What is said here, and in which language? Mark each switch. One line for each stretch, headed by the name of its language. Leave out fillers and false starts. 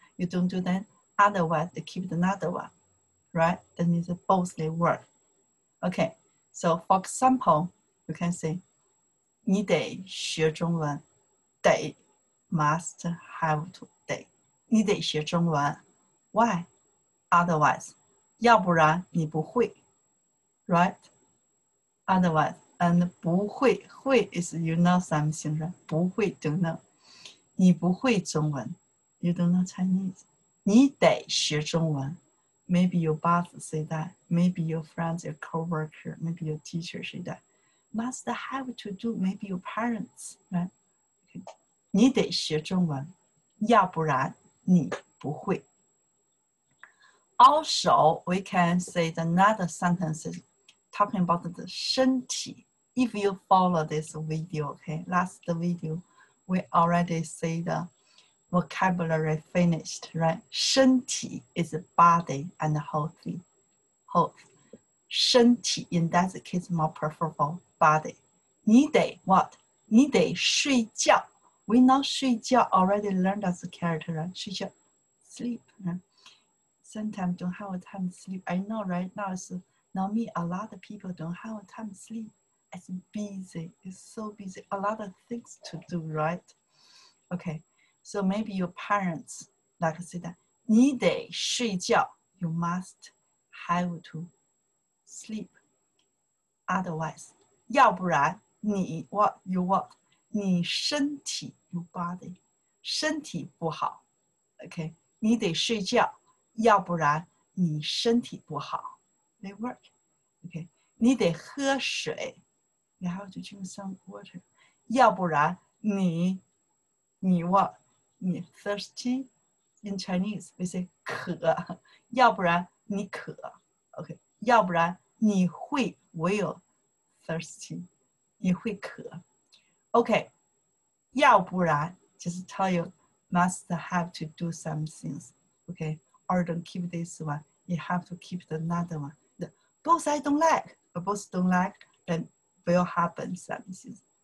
English: You don't do that, otherwise they keep another one. Right? That means both they work. Okay, so for example, you can say,
Chinese: 你得学中文,
English: de, must have to, de.
Chinese: 你得学中文,
English: why? Otherwise,
Chinese: 要不然你不会,
English: right? Otherwise, and 不会, 会 is you know something, right?
Chinese: 不会,
English: don't know.
Chinese: 你不会中文,
English: you don't know Chinese.
Chinese: 你得学中文.
English: Maybe your boss say that. Maybe your friends, your coworker, maybe your teacher say that. Must have to do. Maybe your parents, right? Okay.
Chinese: 你得学中文, 要不然你不会.
English: Also, we can say another sentence talking about the 身体. If you follow this video, okay, last video, we already say the vocabulary finished, right? 身体 is body and healthy. Health. 身体 in that case more preferable, body.
Chinese: 你得,
English: what?
Chinese: 你得睡觉.
English: We know 睡觉 already learned as a character, right? 睡觉, sleep. Right? Sometimes don't have time to sleep. I know right now, so now me, a lot of people don't have time to sleep. It's busy, it's so busy. A lot of things to do, right? Okay. So maybe your parents, like I said,
Chinese: 你得睡觉,
English: you must have to sleep. Otherwise,
Chinese: 要不然你,
English: what, you what?
Chinese: 你身体,
English: your body,
Chinese: 身体不好.
English: Okay,
Chinese: 你得睡觉, 要不然你身体不好.
English: They work. Okay,
Chinese: 你得喝水,
English: you have to drink some water.
Chinese: 要不然你, 你
English: what? 你 thirsty in Chinese, we say 渴,
Chinese: 要不然你渴,
English: okay,
Chinese: 要不然你会
English: will thirsty,
Chinese: 你会渴,
English: okay,
Chinese: 要不然,
English: just tell you, must have to do some things, okay, or don't keep this one, you have to keep the another one, the, both I don't like, but both don't like, then will happen some things.